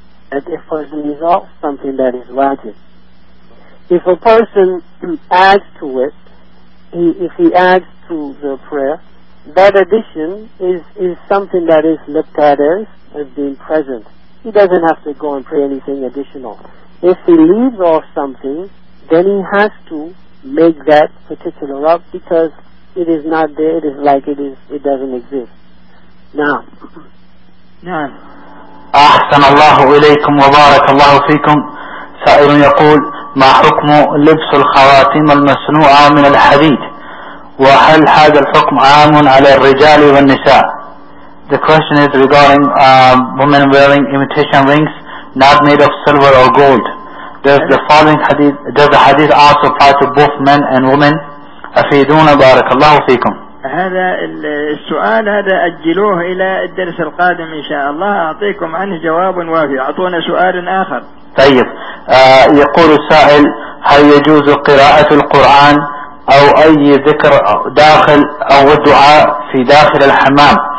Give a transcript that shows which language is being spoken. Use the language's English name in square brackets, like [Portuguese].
[English] And if a person leaves off something that is wajib. If a person adds to it, if he adds to the prayer, that addition is something that is looked at as being present. He doesn't have to go and pray anything additional. If he leaves off something, then he has to make that particular up because it is not there, it doesn't exist. [Arabic] أحسن الله إليكم وبارك الله فيكم. سائل يقول: ما حكم لبس الخواتيم المصنوعة من الحديد؟ وهل هذا الحكم عام على الرجال والنساء؟ [English] The question is regarding women wearing imitation rings not made of silver or gold. Does the hadith also apply to both men and women؟ [Arabic] أفيدونا بارك الله فيكم. هذا السؤال هذا أجلوه إلى الدرس القادم إن شاء الله أعطيكم عنه جواب وافي. أعطونا سؤال آخر. طيب يقول السائل: هل يجوز قراءة القرآن أو أي ذكر داخل أو الدعاء في داخل الحمام؟